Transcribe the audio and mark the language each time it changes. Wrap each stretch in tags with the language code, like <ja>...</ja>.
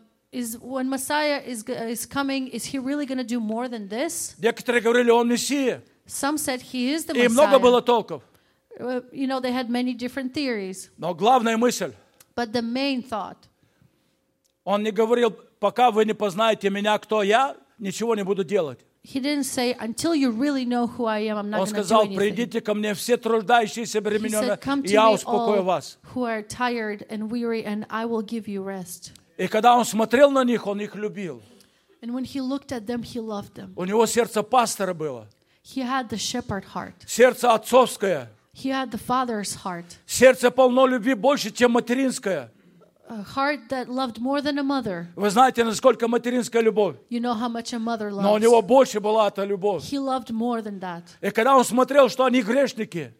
<en>Is when Messiah is coming, is he really going to do more than this?</en> <ru>Некоторые говорили, он Мессия.</ru> <en>Some said he is the</en> <ru>и</ru> <en>Messiah.</en> <ru>И много было толков.</ru> <en>You know, they had many different theories.</en> <ru>Но главная мысль.</ru> <en>But the main thought.</en> <ru>Он не говорил, пока вы не познаете меня, кто я, ничего не буду делать.</ru> <en>He didn't say, until you really know who I am, I'm not going to do anything.</en> <ru>Придите ко мне все трудящиеся бременные, и я успокою вас.</ru> <en>Who are tired and weary, and I will give you rest.</en> <ru>И когда он смотрел на них, он их любил.</ru> <en>And when he looked at them, he loved them.</en> <ru>У него сердце пастора было.</ru> <en>He had the shepherd heart.</en> <ru>Сердце отцовское.</ru> <en>He had the father's heart.</en> <ru>Сердце полно любви больше, чем материнское.</ru> <en>A heart that loved more than a mother.</en> <ru>Вы знаете, насколько материнская любовь?</ru> <en>You know how much a mother loves.</en> <ru>Но у него больше была эта любовь.</ru> <en>He loved more than that.</en> <ru>И когда он смотрел, что они грешники.</ru>